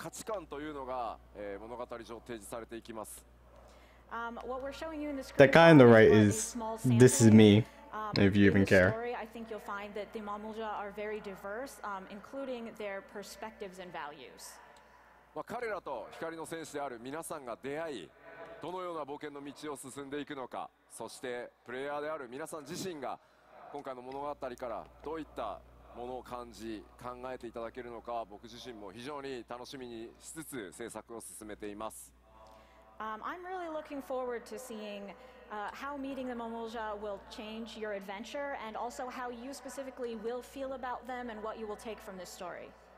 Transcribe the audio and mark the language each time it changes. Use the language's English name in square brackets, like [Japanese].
[Japanese] ここでちょっとスクリーンショットで紹介しているのは、まあその一部になりますが、多様な部族が登場して物語の中でもその部族同士の多くの価値観というのが物語上提示されていきます。 [English] What we're showing you in the screen. The guy on the right is this is me. If you even care. Story, I think you'll find that the Mamulja are very diverse, including their perspectives and values. [Japanese] ま、彼らと光の戦士である皆さんが出会い、どのような冒険の道を進んでいくのか、そしてプレイヤーである皆さん自身が今回の物語からどういったものを感じ、考えていただけるのか、僕自身も非常に楽しみにしつつ制作を進めています。 [English] I'm really looking forward to seeing how meeting the Mamulja will change your adventure and also how you specifically will feel about them and what you will take from this story.